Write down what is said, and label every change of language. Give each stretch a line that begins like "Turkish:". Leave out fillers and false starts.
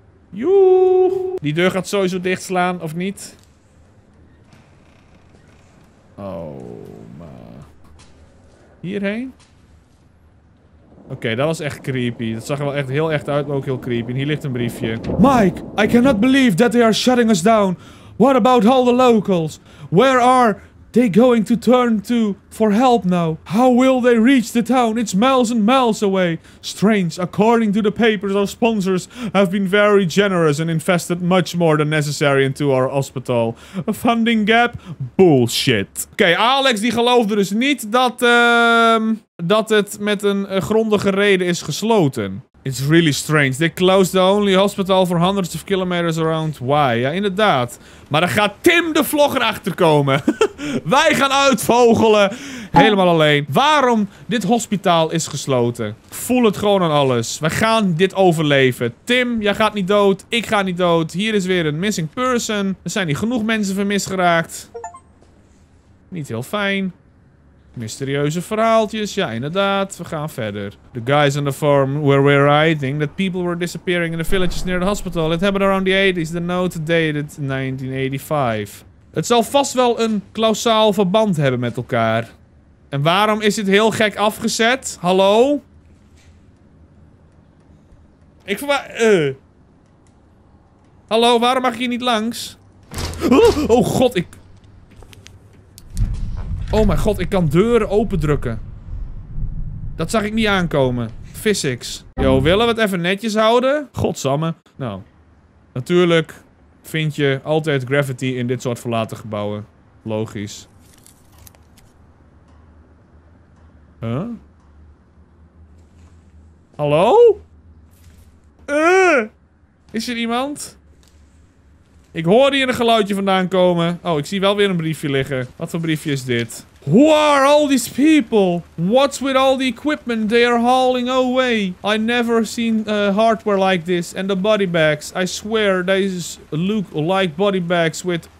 Dutch: Joe! Die deur gaat sowieso dicht slaan, of niet? Oh, maar... Hierheen? Oké, dat was echt creepy. Dat zag er wel echt heel echt uit, maar ook heel creepy. En hier ligt een briefje.
English: Mike, I cannot believe that they are shutting us down. What about all the locals? Where are they going to turn to for help now? How will they reach the town? It's miles and miles away. Strange, according to the papers, our sponsors have been very generous and invested much more than necessary into our hospital. A funding gap? Bullshit.
Dutch: Oké, Alex die geloofde dus niet dat, dat het met een grondige reden is gesloten.
English: It's really strange. They closed the only hospital for hundreds of kilometers around. Why?
Dutch: Ja, inderdaad. Maar dan gaat Tim de vlogger achterkomen. Wij gaan uitvogelen. Helemaal alleen. Waarom dit hospitaal is gesloten? Ik voel het gewoon aan alles. We gaan dit overleven. Tim, jij gaat niet dood. Ik ga niet dood. Hier is weer een missing person. Er zijn hier genoeg mensen vermist geraakt. Niet heel fijn. Mysterieuze verhaaltjes. Ja, inderdaad. We gaan verder.
English: The guys on the farm where we're riding that people were disappearing in the villages near the hospital. It happened around the 80s. The note dated 1985.
Dutch: Het zal vast wel een klausaal verband hebben met elkaar. En waarom is dit heel gek afgezet? Hallo? Ik verwaar... Hallo, waarom mag ik hier niet langs? Oh god, ik... Oh mijn god, ik kan deuren opendrukken. Dat zag ik niet aankomen. Physics. Yo, willen we het even netjes houden? Godsamme. Nou, natuurlijk vind je altijd gravity in dit soort verlaten gebouwen. Logisch. Huh? Hallo? Is er iemand? Ik hoor hier een geluidje vandaan komen. Oh, ik zie wel weer een briefje liggen. Wat voor briefje is dit?
English: Who are all these people? What's with all the equipment they are hauling away? I never seen hardware like this. And the body bags. I swear, they look like body bags with